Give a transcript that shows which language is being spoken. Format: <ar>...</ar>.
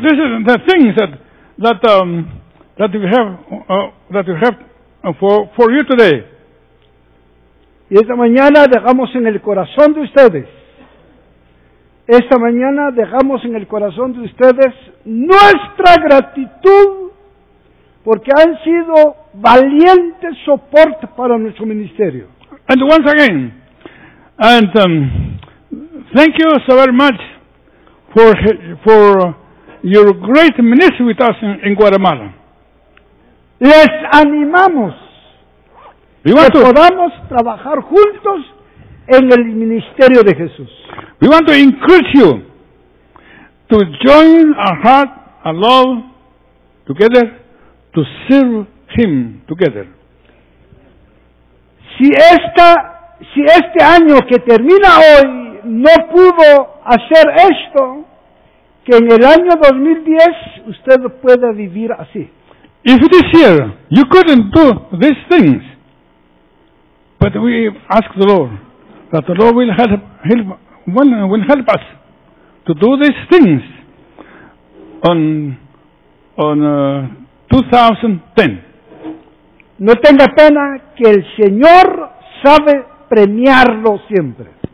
<en>This is the things that we have for you today.</en> <es>Y esta mañana dejamos en el corazón de ustedes. Esta mañana dejamos en el corazón de ustedes nuestra gratitud porque han sido valiente soporte para nuestro ministerio.</es> <en>And once again, and thank you so very much for your great ministry with us in Guatemala.</en> <es>Les animamos que podamos trabajar juntos en el ministerio de Jesús.</es> <en>We want to encourage you to join our heart and love together to serve Him together.</en> <es>Si este año que termina hoy no pudo hacer esto, que en el año 2010 usted pueda vivir así.</es> <en>If this year you couldn't do these things, but we ask the Lord that the Lord will help us to do these things on 2010.</en> <es>No tenga pena que el Señor sabe premiarlo siempre.</es>